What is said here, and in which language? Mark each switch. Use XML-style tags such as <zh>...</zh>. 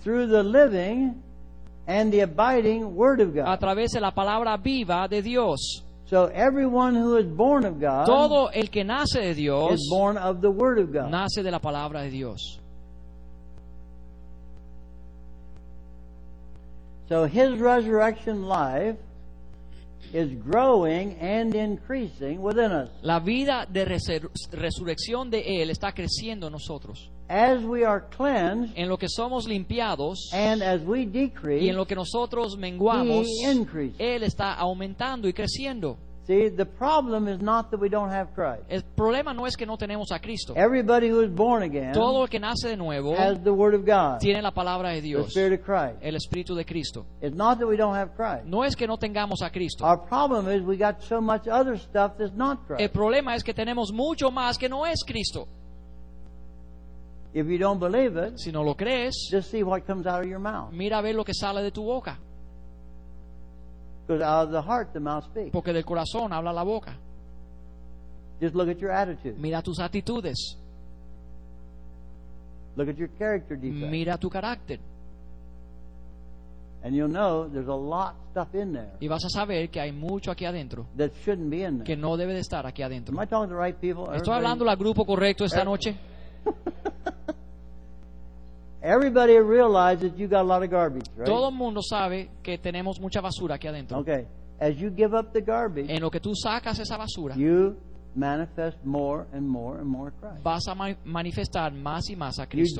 <en>through the living and the abiding word of God.</en> <es>A través de la palabra viva de Dios.</es> <en>So everyone who is born of God,</en> <es>todo el que nace de Dios,</es> <en>is born of the word of God.</en> <es>Nace de la palabra de Dios.</es> <en>So his resurrection life is growing and increasing within us.</en> <es>La vida de resurrección de él está creciendo en nosotros.</es> <en>As we are cleansed,</en> <es>en lo que somos limpiados,</es> <en>and as we decrease,</en> <es>y en lo que nosotros menguamos,</es> <en>he increases.</en> <es>Él está aumentando y creciendo.</es> <en>See, the problem is not that we don't have Christ.</en> <es>El problema no es que no tenemos a Cristo.</es> <en>Everybody who is born again,</en> <es>todo el que nace de nuevo,</es> <en>has the word of God,</en> <es>tiene la palabra de Dios,</es> <en>the Spirit of Christ,</en> <es>el Espíritu de Cristo.</es> <en>It's not that we don't have Christ.</en> <es>No es que no tengamos a Cristo.</es> <en>Our problem is we got so much other stuff that's not Christ.</en> <es>El problema es que tenemos mucho más que no es Cristo.</es> <en>If you don't believe it,</en> <es>si no lo crees,</es> <en>just see what comes out of your mouth.</en> <es>Mira a ver lo que sale de tu boca.</es> <en>Because out of the heart the mouth speaks.</en> <es>Porque del corazón habla la boca.</es> <en>Just look at your attitude.</en> <es>Mira tus actitudes.</es> <en>Look at your character defects.</en> <es>Mira tu carácter.</es> <en>And you'll know there's a lot of stuff in there.</en> <es>Y vas a saber que hay mucho aquí adentro.</es> <en>That shouldn't be in there.</en> <es>Que no debe de estar aquí adentro.</es> <en>Am I talking to the right people?</en> <es>Estoy hablando al grupo correcto esta noche.</es> <en>Everybody realizes you got a lot of garbage, right?</en> <es>Todo el mundo sabe que tenemos mucha basura aquí adentro.</es> <en>Okay. As you give up the garbage,</en> <es>en lo que tú sacas esa basura,</es> <en>you manifest more and more and more Christ.</en> <es>Vas a manifestar más y más a Cristo.</es>